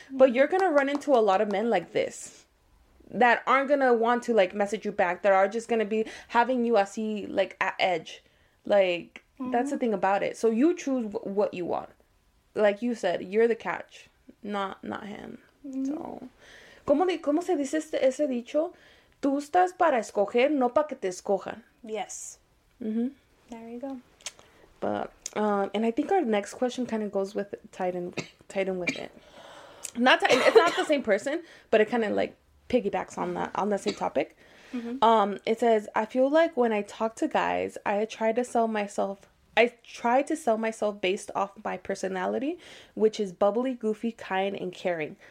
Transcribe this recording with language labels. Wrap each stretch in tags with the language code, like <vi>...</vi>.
<en>But you're gonna run into a lot of men like this that aren't gonna want to like message you back, that are just gonna be having you as like at edge, like mm-hmm. that's the thing about it. So you choose what you want. Like you said, you're the catch, not him.</en> <es>Mm-hmm. So ¿Cómo se dice ese dicho? Tú estás para escoger, no para que te escojan.</es> <en>Yes. Mm-hmm. There you go. But, and I think our next question kind of goes with it, tied in with it. It's not the same person, but it kind of like piggybacks on the same topic. Mm-hmm. It says, I feel like when I talk to guys, I try to sell myself based off my personality, which is bubbly, goofy, kind, and caring.</en>